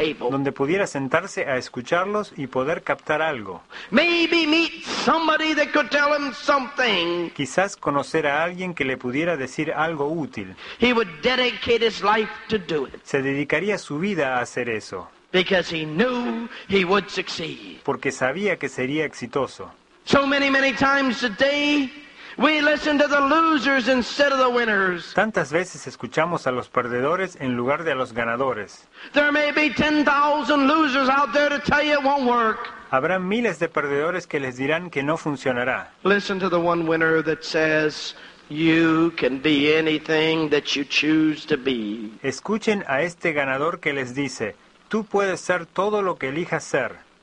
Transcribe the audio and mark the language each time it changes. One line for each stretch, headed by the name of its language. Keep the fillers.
Spanish: donde pudiera sentarse a escucharlos y poder captar algo.
English: Maybe meet somebody that could tell him something.
Spanish: Quizás conocer a alguien que le pudiera decir algo útil.
English: He would dedicate his life to do it.
Spanish: Se dedicaría su vida a hacer eso.
English: Because he knew he would succeed.
Spanish: Porque sabía que sería exitoso.
English: So many, many times a day. We listen to the losers instead of the winners.
Spanish: Tantas veces escuchamos a los perdedores en lugar de a los ganadores.
English: There may be 10,000 losers out there to tell you it won't work.
Spanish: Habrá miles de perdedores que les dirán que no funcionará.
English: Listen to the one winner that says you can be anything that you choose to be.
Spanish: Escuchen a este ganador que les dice tú puedes ser todo lo que elijas ser.